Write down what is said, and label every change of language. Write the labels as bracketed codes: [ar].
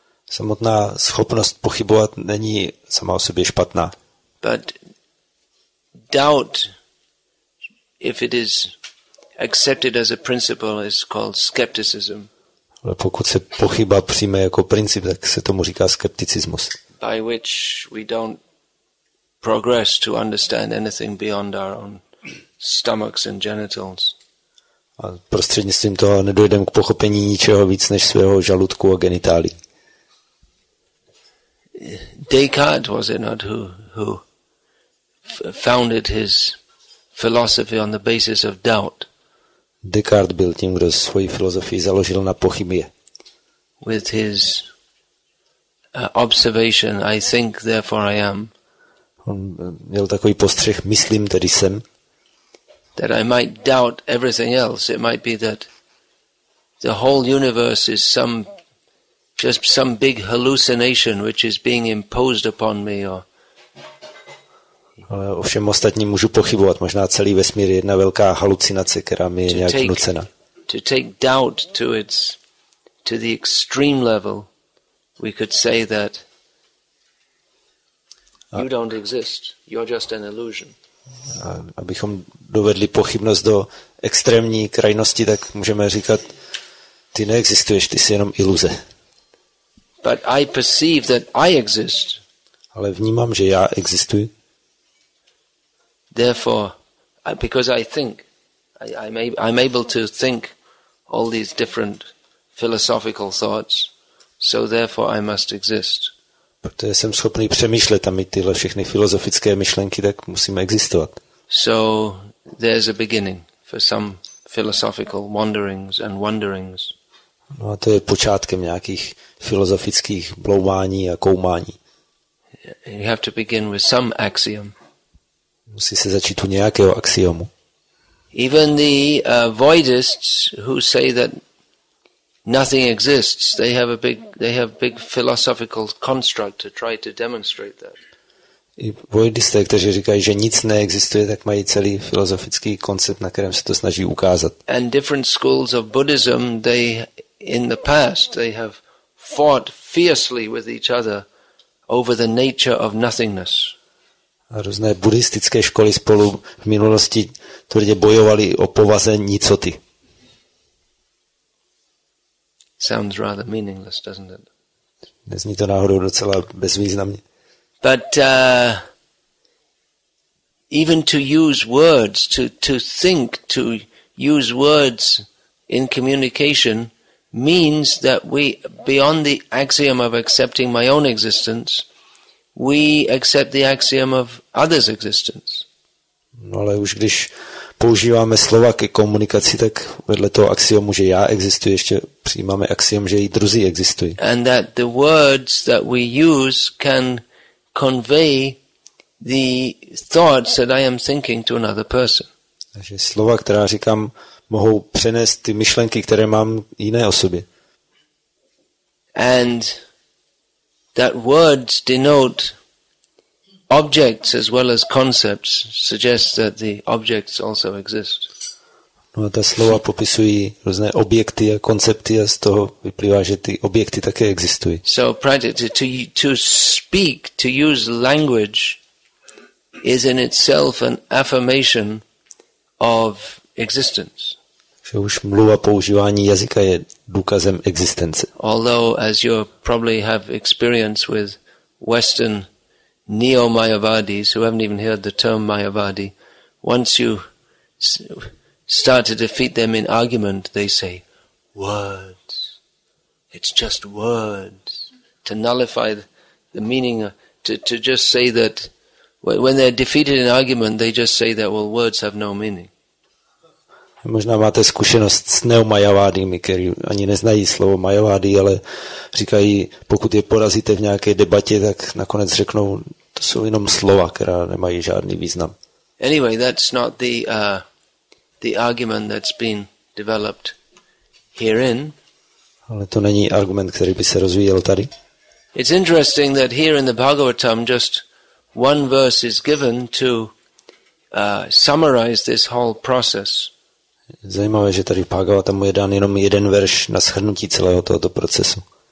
[cs] Samotná schopnost pochybovat není sama o sobě špatná. [en] But doubt, if it is accepted as a principle, is called skepticism. [cs] Ale pokud se pochyba přijme jako princip, tak se tomu říká skepticismus. [en] By which we don't progress to understand anything beyond our own stomachs and genitals. [cs] A prostřednictvím toho nedojdem k pochopení ničeho víc než svého žaludku a genitálií. [en] Descartes, was it not, who founded his philosophy on the basis of doubt? [cs] Descartes byl tím, kdo svoji filozofii založil na pochybě. [en] With his observation, I think, therefore I am. [cs] On měl takový postřeh, myslím, tedy jsem. [en] That I might doubt everything else. It might be that the whole universe is just some big hallucination which is being imposed upon me. [cs] Ale ovšem ostatní můžu pochybovat. Možná celý vesmír je jedna velká halucinace, která mi je nějak vnucena. [en] To take doubt to the extreme level, we could say that you don't exist. You're just an illusion. [cs] Abychom dovedli pochybnost do extrémní krajnosti, tak můžeme říkat, ty neexistuješ, ty jsi jenom iluze. [en] But I perceive that I exist. [cs] Ale vnímám, že já existuji. [en] Therefore, because I think, I'm able to think all these different philosophical thoughts, so therefore I must exist. [cs] Protože jsem schopný přemýšlet a mít tyhle všechny filozofické myšlenky, tak musím existovat. [en] So there's a beginning for some philosophical wanderings and wonderings. [cs] No a to je počátkem nějakých filozofických bloumání a koumání. [en] You have to begin with some axiom. [cs] Musí se začít u nějakého axiomu. [en] Even the voidists who say that nothing exists, they have big philosophical construct to try to demonstrate that. [cs] I voidisté, kteří říkají, že nic neexistuje, tak mají celý filozofický koncept, na kterém se to snaží ukázat. [en] And different schools of Buddhism, they in the past they have fought fiercely with each other over the nature of nothingness. [cs] A různé buddhistické školy spolu v minulosti tvrdě bojovali o povaze nicoty. [en] Sounds rather meaningless, doesn't it? [cs] Nezní to náhodou docela bezvýznamně. [en] But even to use words, to think, to use words in communication means that we, beyond the axiom of accepting my own existence, we accept the axiom of others' existence. [cs] No, ale už když používáme slova ke komunikaci, tak vedle toho axiomu, že já existuji, ještě přijímáme axiom, že i druzí existují. [en] And that the words that we use can convey the thoughts that I am thinking to another person. [cs] Takže slova, která říkám, mohou přenést ty myšlenky, které mám jiné osobě. [en] And that words denote objects as well as concepts suggests that the objects also exist. [cs] No a ta slova popisují různé objekty a koncepty a z toho vyplývá, že ty objekty také existují. [en] So to speak, to use language is in itself an affirmation of existence. [cs] Že už mluva, používání jazyka je důkazem existence. [en] Although as you probably have experience with Western neo-Mayavadis who haven't even heard the term Mayavadi, once you start to defeat them in argument, they say words. It's just words to nullify the meaning. To just say that when they're defeated in argument, they just say that well, words have no meaning. [cs] Možná máte zkušenost s neomajavádými, kteří ani neznají slovo majavády, ale říkají, pokud je porazíte v nějaké debatě, tak nakonec řeknou, To jsou jenom slova, která nemají žádný význam. [en] Anyway, that's not the the argument that's been developed herein. [cs] Ale to není argument, který by se rozvíjel tady. [en] It's interesting that here in the Bhagavatam just one verse is given to summarize this whole process. [cs] Zajímavé, že tady v Bhagavatamu je dán jenom jeden verš na shrnutí celého tohoto procesu.